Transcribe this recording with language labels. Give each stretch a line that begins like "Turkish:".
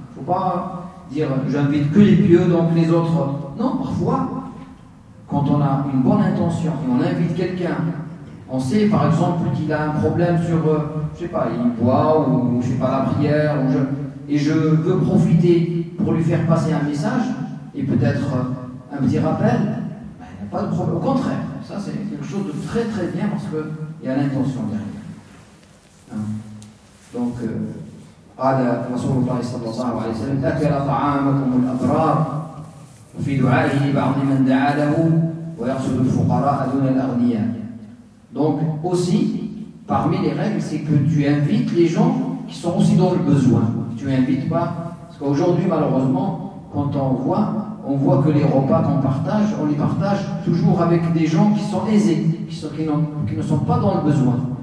French: Faut pas dire j'invite que les pieux, donc les autres. Non, parfois, quand on a une bonne intention et on invite quelqu'un, on sait par exemple qu'il a un problème sur, je sais pas, il boit ou je ne fais pas la prière, ou je, et je veux profiter pour lui faire passer un message et peut-être un petit rappel, ben, il n'y a pas de problème. Au contraire, ça c'est quelque chose de très très bien parce qu'il y a l'intention derrière. Hein.
Arabic: Donc, قال رسول الله صلى الله عليه وسلم أكل طعامكم الأبرار وفي دعائه بعض من دعا له ويقصد الفقراء دون الأغنياء.
French: Donc aussi parmi les règles c'est que tu invites les gens qui sont aussi dans le besoin. Tu invites pas parce qu'aujourd'hui malheureusement quand on voit que les repas qu'on partage, on les partage toujours avec des gens qui sont aisés, qui ne sont pas dans le besoin.